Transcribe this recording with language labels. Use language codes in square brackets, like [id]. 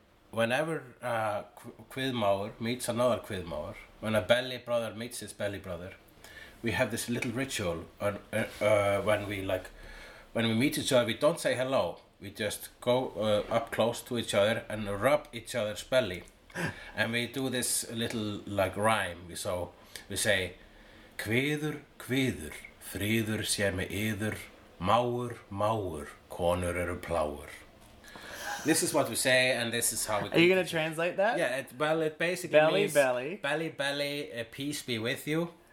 [en] Whenever a kviðmaður meets another kviðmaður, when a belly brother meets his belly brother, we have this little ritual when we meet each other, we don't say hello. We just go up close to each other and rub each other's belly. And we do this little like rhyme. [is] We say, kviður, kviður, fríður sé með yður, máur, máur, konur eru pláur. [en] This is what we say, and this is how we... Are you going to translate that? Yeah, it basically means... Belly, belly. Belly, belly, peace be with you.